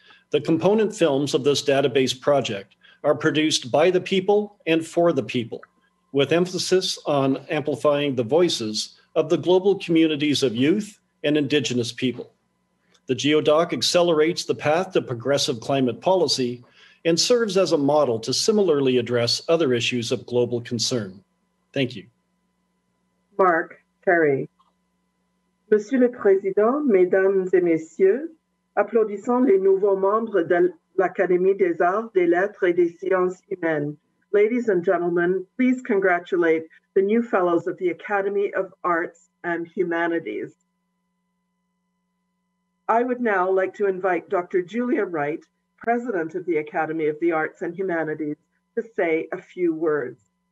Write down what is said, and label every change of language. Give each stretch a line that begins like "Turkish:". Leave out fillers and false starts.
English: The component films of this database project are produced by the people and for the people, with emphasis on amplifying the voices of the global communities of youth and Indigenous people. The GeoDoc accelerates the path to progressive climate policy and serves as a model to similarly address other issues of global concern. Thank you. Mark Terry.
French: Monsieur le Président, Mesdames et Messieurs, applaudissons les nouveaux membres de l'Académie des Arts, des Lettres et des Sciences Humaines.
English: Ladies and gentlemen, please congratulate the new fellows of the Academy of Arts and Humanities. I would now like to invite Dr. Julia Wright, President of the Academy of the Arts and Humanities, to say a few words.